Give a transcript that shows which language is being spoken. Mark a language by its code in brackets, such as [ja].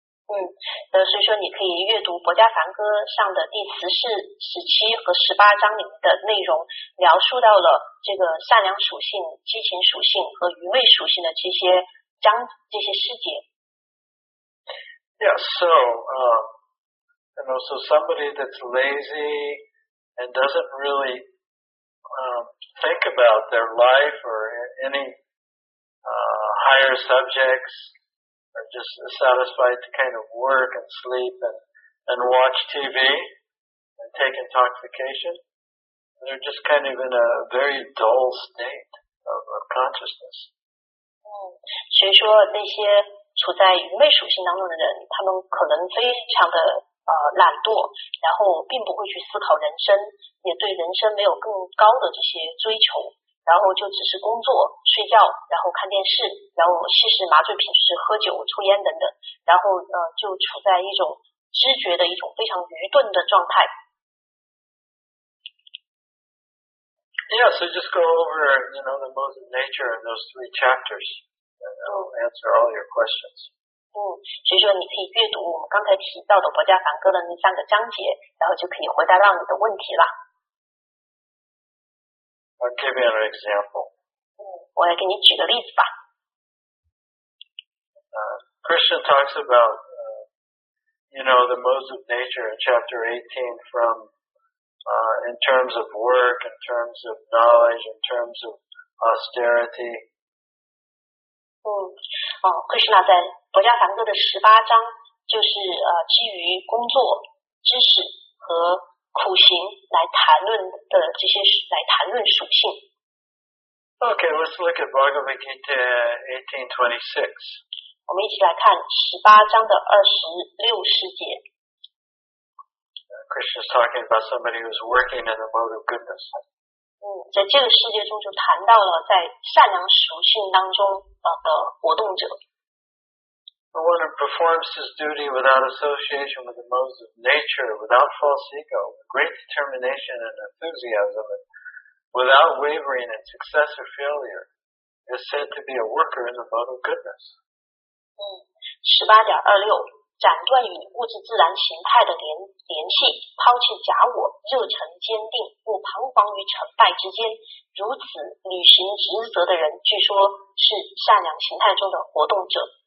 [zh] 所以说你可以阅读博迦梵歌上的第14、17和18章里面的内容，描述到了这个善良属性、激情属性和愚昧属性的这些细节。 [en] Yeah, so, and also somebody that's lazy and doesn't really, think about their life or any, higher subjects,Or just satisfied to kind of work and sleep and watch TV and take intoxication. They're just kind of in a very dull state of consciousness. [zh] 所以说那些处在愚昧属性当中的人，他们可能非常的懒惰，然后并不会去思考人生，也对人生没有更高的这些追求。然后就只是工作、睡觉，然后看电视，然后吸食麻醉品，就是喝酒、抽烟等等，然后就处在一种知觉的一种非常愚钝的状态。 [en] Yeah, so just go over, you know, the modes of nature in those three chapters. and that will answer all your questions. [zh] 所以说你可以阅读我们刚才提到的《伯加梵歌》的那三个章节，然后就可以回答到你的问题了。 [en] I'll give you an example. [zh] 我来给你举个例子吧。 [en] Krishna talks about, you know, the modes of nature in chapter 18 from, in terms of work, in terms of knowledge, in terms of austerity. [zh] Krishna 在伯加梵歌的十八章就是基于工作、知识和苦行来谈论的这些来谈论属性。 [en] Okay, let's look at Bhagavad Gita 18:26. [zh] 我们一起来看十八章的二十六世界。 [en] Krishna is talking about somebody who's working in the mode of goodness. [zh] 在这个世界中就谈到了在善良属性当中的活动者。 [en] The one who performs his duty without association with the modes of nature, without false ego, with great determination and enthusiasm, and without wavering in success or failure, is said to be a worker in the mode of goodness. [zh] 18.26 斩断与物质自然形态的 联系，抛弃假我，热忱坚定，不彷徨于成败之间，如此履行职责的人据说是善良形态中的活动者。